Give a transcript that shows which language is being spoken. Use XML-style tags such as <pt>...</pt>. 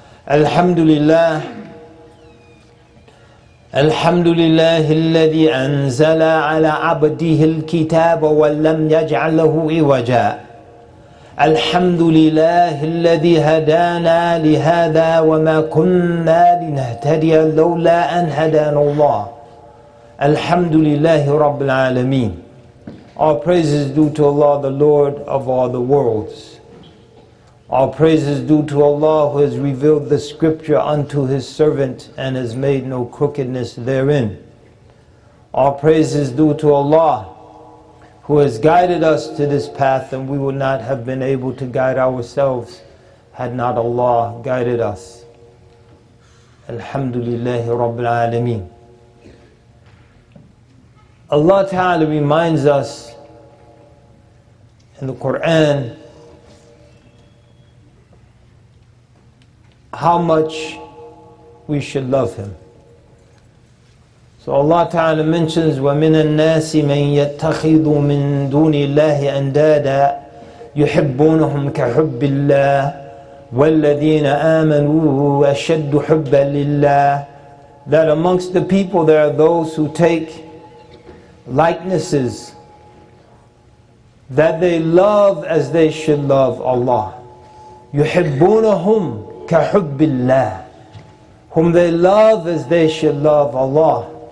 <ar>الحمد لله الحمد لله الذي أنزل على عبده الكتاب ولم يجعل له عوجا. الحمد لله الذي هدانا لهذا وما كنا لنهتدي لولا أن هدانا الله. Alhamdulillahi Rabbil Alameen.</ar> <en>All praise is due to Allah, the Lord of all the worlds. All praise is due to Allah who has revealed the scripture unto His servant and has made no crookedness therein. All praise is due to Allah who has guided us to this path, and we would not have been able to guide ourselves had not Allah guided us.</en> <ar>Alhamdulillahi Rabbil Alameen.</ar> <en>Allah Ta'ala reminds us in the Quran how much we should love Him. So Allah Ta'ala mentions,</en> <ar>وَمِنَ النَّاسِ مَنْ يَتَّخِذُ مِنْ دُونِ اللَّهِ أَنْدَادًا يُحِبُّونَهُمْ كَحُبِّ اللَّهِ وَالَّذِينَ آمَنُوا أَشَدُّ حُبًّا لِلَّهِ.</ar> <en>That amongst the people there are those who take likenesses that they love as they should love Allah.</en> <ar>يُحِبُّونَهُمْ كَحُبِّ اللَّهِ,</ar> <en>whom they love as they should love Allah.</en>